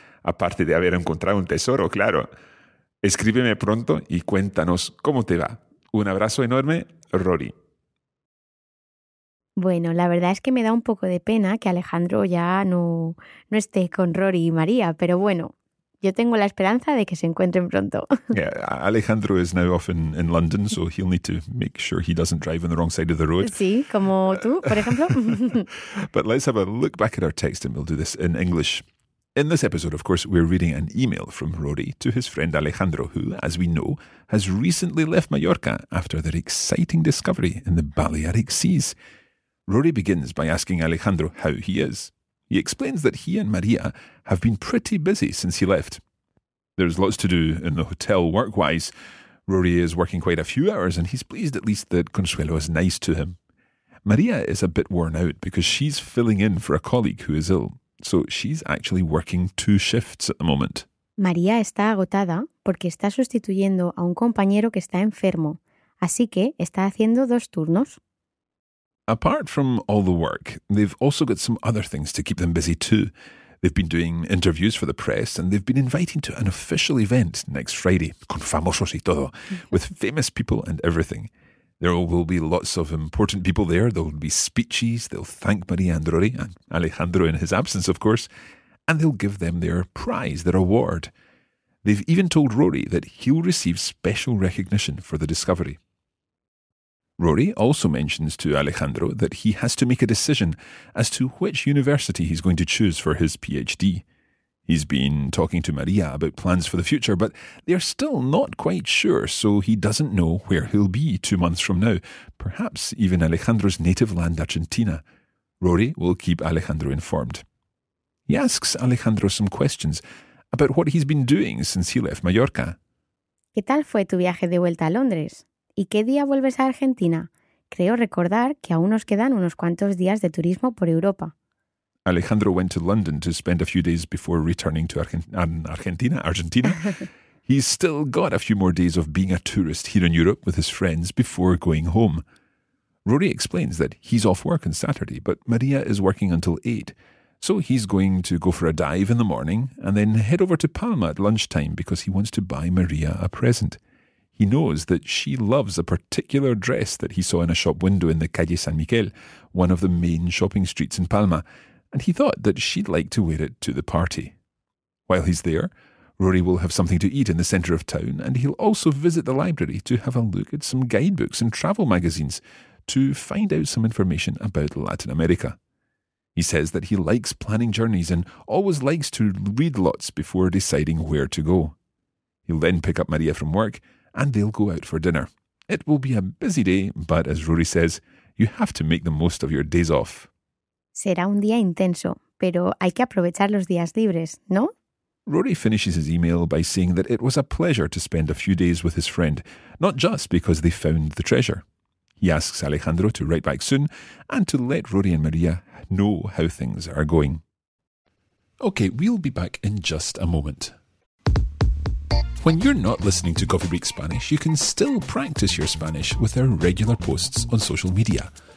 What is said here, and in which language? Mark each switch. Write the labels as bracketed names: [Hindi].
[Spanish] Aparte de haber encontrado un tesoro, claro. Escríbeme pronto y cuéntanos cómo te va. Un abrazo enorme, Rory. Bueno, la verdad es que me da un poco de pena que Alejandro ya no esté con Rory y María, pero bueno, yo tengo la esperanza de que se encuentren pronto. [English] Yeah, Alejandro is now off in London, so he'll need to make sure he doesn't drive on the wrong side of the road. [Spanish] Sí, como tú, por ejemplo. [English] But let's have a look back at our text and we'll do this in English. In this episode, of course, we're reading an email from Rory to his friend Alejandro, who, as we know, has recently left Mallorca after their exciting discovery in the Balearic Seas. Rory begins by asking Alejandro how he is. He explains that he and Maria have been pretty busy since he left. There's lots to do in the hotel work-wise. Rory is working quite a few hours, and he's pleased at least that Consuelo is nice to him. Maria is a bit worn out because she's filling in for a colleague who is ill. So she's actually working two shifts at the moment. [Spanish] María está agotada porque está sustituyendo a un compañero que está enfermo, así que está haciendo dos turnos. [English] Apart from all the work, they've also got some other things to keep them busy too. They've been doing interviews for the press and they've been inviting to an official event next Friday, [Spanish] con famosos y todo, [English] with famous people and everything. There will be lots of important people there. There will be speeches. They'll thank Maria and Rory, and Alejandro in his absence, of course. And they'll give them their prize, their award. They've even told Rory that he'll receive special recognition for the discovery. Rory also mentions to Alejandro that he has to make a decision as to which university he's going to choose for his PhD. He's been talking to Maria about plans for the future, but they're still not quite sure, so he doesn't know where he'll be 2 months from now, perhaps even Alejandro's native land, Argentina. Rory will keep Alejandro informed. He asks Alejandro some questions about what he's been doing since he left Mallorca. [Spanish] ¿Qué tal fue tu viaje de vuelta a Londres? ¿Y qué día vuelves a Argentina? Creo recordar que aún nos quedan unos cuantos días de turismo por Europa. [English] Alejandro went to London to spend a few days before returning to Argentina. He's still got a few more days of being a tourist here in Europe with his friends before going home. Rory explains that he's off work on Saturday, but Maria is working until 8. So he's going to go for a dive in the morning and then head over to Palma at lunchtime because he wants to buy Maria a present. He knows that she loves a particular dress that he saw in a shop window in the Calle San Miguel, one of the main shopping streets in Palma, and he thought that she'd like to wear it to the party. While he's there, Rory will have something to eat in the centre of town, and he'll also visit the library to have a look at some guidebooks and travel magazines to find out some information about Latin America. He says that he likes planning journeys and always likes to read lots before deciding where to go. He'll then pick up Maria from work, and they'll go out for dinner. It will be a busy day, but as Rory says, you have to make the most of your days off. [Spanish] Será un día intenso, pero hay que aprovechar los días libres, ¿no? [English] Rory finishes his email by saying that it was a pleasure to spend a few days with his friend, not just because they found the treasure. He asks Alejandro to write back soon and to let Rory and Maria know how things are going. Okay, we'll be back in just a moment. When you're not listening to Coffee Break Spanish, you can still practice your Spanish with our regular posts on social media.